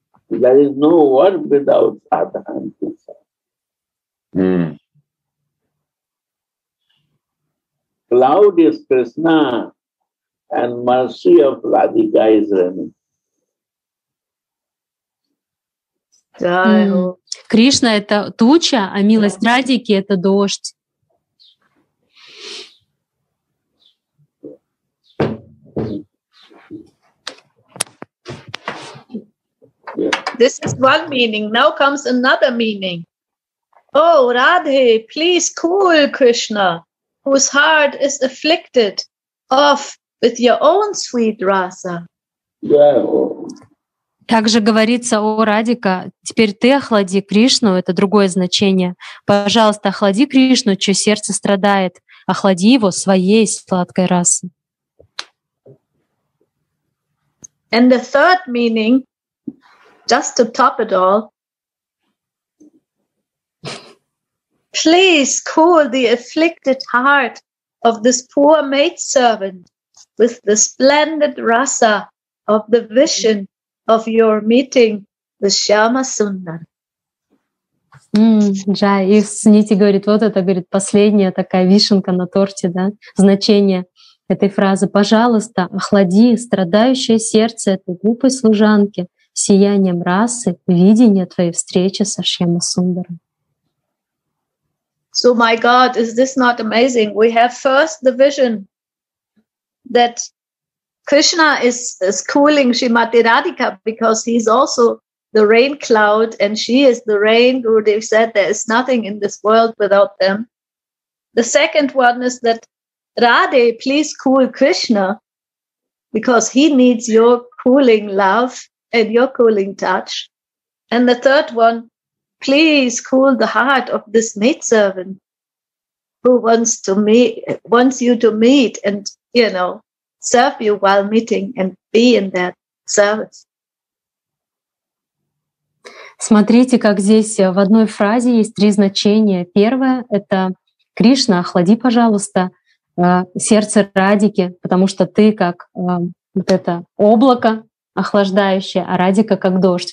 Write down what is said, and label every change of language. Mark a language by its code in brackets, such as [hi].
[en] There is no word without Adhanti. Cloud is Krishna and mercy of Radhika is Rani. [ru] Кришна — это туча, а милость Радики — это дождь. [en] This is one meaning. Now comes another meaning. Oh, Radhe, please cool Krishna. Whose heart is afflicted off with your own sweet rasa. [ru] Также говорится о Радика, теперь ты охлади Кришну, это другое значение. Пожалуйста, охлади Кришну, чье сердце страдает, охлади его своей сладкой расой. [en] And the third meaning, just to top it all, please cool the afflicted heart of this poor maidservant with the splendid rasa of the vision of your meeting with Shyama Sundar. [ru] Джай, и Сунити говорит, вот это, говорит, последняя такая вишенка на торте, да, значение этой фразы. Пожалуйста, охлади страдающее сердце этой глупой служанки сиянием расы видения твоей встречи со Шьяма Сундаром. [en] So my God, is this not amazing? We have first the vision that Krishna is cooling Srimati Radhika because he's also the rain cloud and she is the rain. Gurudev said there is nothing in this world without them. The second one is that Radhe, please cool Krishna because he needs your cooling love and your cooling touch. And the third one, please cool the heart of this maidservant who wants to meet, wants you to meet and, you know, serve you while meeting and be in that service. [ru] Смотрите, как здесь в одной фразе есть три значения. Первое — это Кришна, охлади, пожалуйста, сердце Радики, потому что ты как вот это облако охлаждающее, а Радика как дождь.